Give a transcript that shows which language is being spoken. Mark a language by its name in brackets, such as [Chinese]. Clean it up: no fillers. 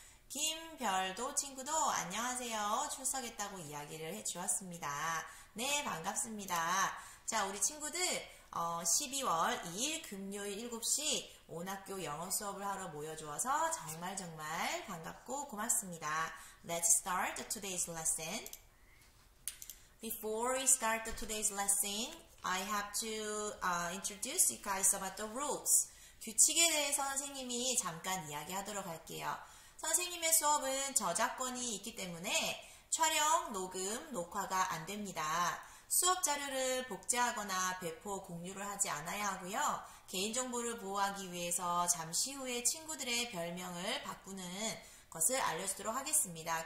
[Korean] 김별도 친구도 안녕하세요. 출석했다고 이야기를 해 주었습니다. 네, 반갑습니다. 자, 우리 친구들, 12월 2일 금요일 7시 온학교 영어 수업을 하러 모여주어서 정말 정말 반갑고 고맙습니다. [English] Let's start today's lesson. Before we start today's lesson, I have to introduce you guys about the rules. [Korean] 규칙에 대해서 선생님이 잠깐 이야기하도록 할게요. 선생님의 수업은 저작권이 있기 때문에 촬영, 녹음, 녹화가 안 됩니다. 수업 자료를 복제하거나 배포, 공유를 하지 않아야 하고요. 개인정보를 보호하기 위해서 잠시 후에 친구들의 별명을 바꾸는 것을 알려주도록 하겠습니다.